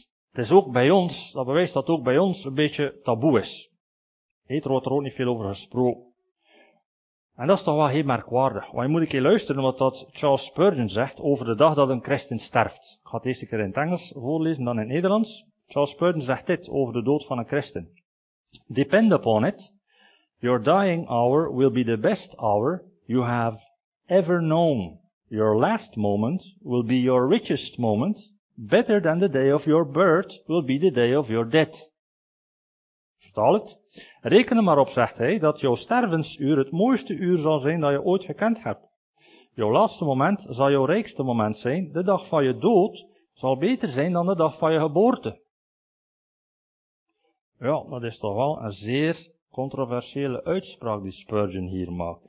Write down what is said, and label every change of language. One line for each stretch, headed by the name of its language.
Dutch: Het is ook bij ons, dat bewijst dat ook bij ons een beetje taboe is. Er wordt er ook niet veel over gesproken. En dat is toch wel heel merkwaardig. Want je moet een keer luisteren wat dat Charles Spurgeon zegt over de dag dat een christen sterft. Ik ga het eerst een keer in het Engels voorlezen, dan in het Nederlands. Charles Spurgeon zegt dit over de dood van een christen.
English: Depend upon it, your dying hour will be the best hour you have ever known. Your last moment will be your richest moment. Better than the day of your birth will be the day of your death.
Dutch: Vertaal het. Reken er maar op, zegt hij, dat jouw stervensuur het mooiste uur zal zijn dat je ooit gekend hebt. Jouw laatste moment zal jouw rijkste moment zijn. De dag van je dood zal beter zijn dan de dag van je geboorte. Ja, dat is toch wel een zeer controversiële uitspraak die Spurgeon hier maakt.